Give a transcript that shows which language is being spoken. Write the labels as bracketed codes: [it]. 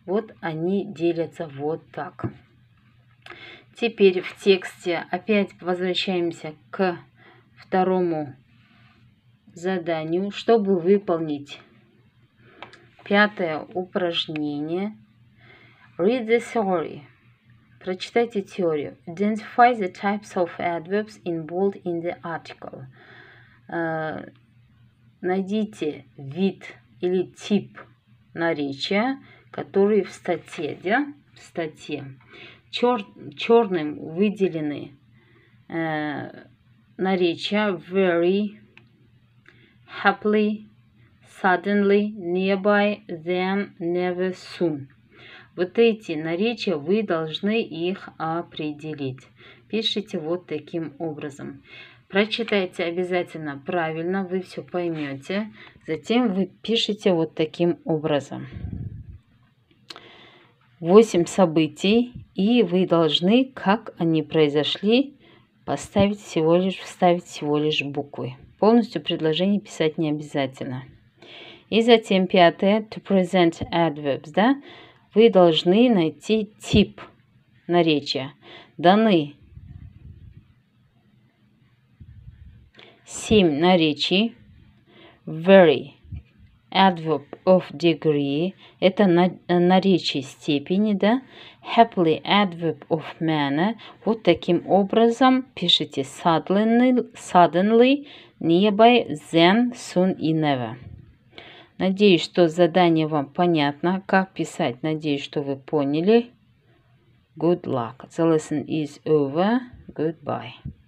[ru] Вот они делятся вот так. Теперь в тексте опять возвращаемся к второму заданию. Чтобы выполнить пятое упражнение, [en] read the theory. [ru] Прочитайте теорию. [en] Identify the types of adverbs in bold in the article. [ru] Найдите вид или тип наречия, который в статье, да? В статье. Черным выделены наречия very, happily, suddenly, nearby, then, never, soon. Вот эти наречия вы должны их определить. Пишите вот таким образом. Прочитайте обязательно правильно, вы все поймете. Затем вы пишете вот таким образом. 8 событий, и вы должны, как они произошли, вставить всего лишь буквы. Полностью предложение писать не обязательно. И затем пятое, [en] to present adverbs, [ru] да? Вы должны найти тип наречия. Даны 7 наречий. Very, [en] adverb of degree [ru] – это наречие степени, да? [en] Happily – adverb of manner. [ru] Вот таким образом пишите suddenly, nearby, then, soon и never. Надеюсь, что задание вам понятно, как писать. Надеюсь, что вы поняли. [en] Good luck. The lesson is over. Goodbye.